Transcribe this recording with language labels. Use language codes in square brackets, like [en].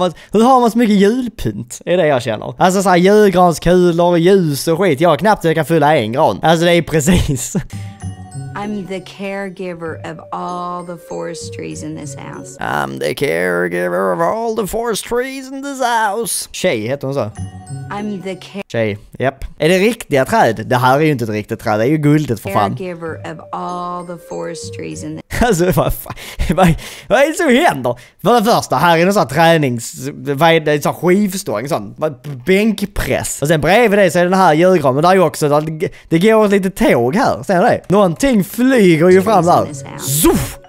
[sv] Hur har man så mycket julpynt? Är det jag känner. Alltså såhär julgranskulor, ljus och skit. Jag har knappt jag kan fylla en gran. Alltså det är precis. [en] I'm the caregiver of all the forest trees in this house. I'm the caregiver of all the forest trees in this house. [sv] Tjej heter hon så. [en] I'm the Tjej, [sv] japp. Är det riktiga träd? Det här är ju inte ett riktigt träd, det är ju guldet för fan. [en] Caregiver of all the forest trees in this. [sv] Alltså, vad är det som händer? För det första, här är någon sån här tränings... Vad är det? En sån här skivstång, sån här bänkpress. Och sen bredvid det så är den här julgranen, men där är ju också... Det går åt lite tåg här, ser du det? Någonting flyger ju fram där. Zoff!